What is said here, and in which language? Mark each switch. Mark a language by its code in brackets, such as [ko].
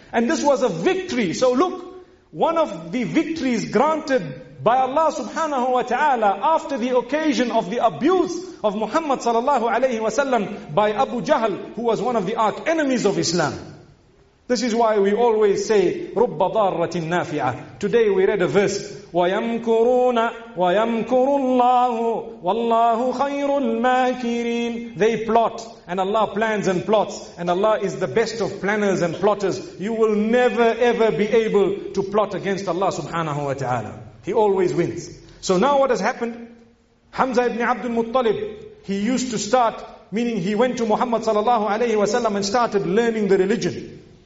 [en] And this was a victory. So look, one of the victories granted by Allah subhanahu wa ta'ala after the occasion of the abuse of Muhammad sallallahu alayhi wa sallam by Abu Jahl, who was one of the arch enemies of Islam. This is why we always say, [ar] رُبَّ ضَارَّةٍ نَافِعَةٍ. [en] Today we read a verse, [ar] وَيَمْكُرُونَ وَيَمْكُرُ اللَّهُ وَاللَّهُ خَيْرُ الْمَاكِرِينَ. [en] They plot, and Allah plans and plots, and Allah is the best of planners and plotters. You will never ever be able to plot against Allah subhanahu wa ta'ala. He always wins. So now what has happened? Hamza ibn Abdul Muttalib, he used to start, meaning he went to Muhammad sallallahu alayhi wa sallam and started learning the religion.